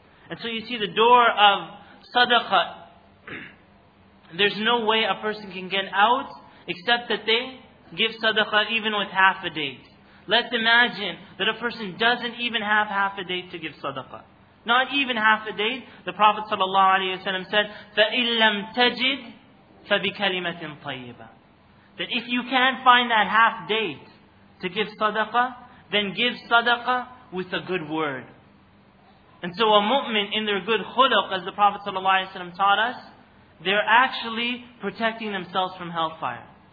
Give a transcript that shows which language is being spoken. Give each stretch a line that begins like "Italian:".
English: And so you see the door of sadaqah. There's no way a person can get out except that they give sadaqah even with half a date. Let's imagine that a person doesn't even have half a date to give sadaqah. Not even half a date. The Prophet ﷺ said,
Arabic: فَإِن لَمْ تَجِدْ فَبِكَلِمَةٍ طَيِّبًا.
English: That if you can't find that half date to give sadaqah, then give sadaqah with a good word. And so a mu'min in their good khuluq, as the Prophet ﷺ taught us, they're actually protecting themselves from hellfire.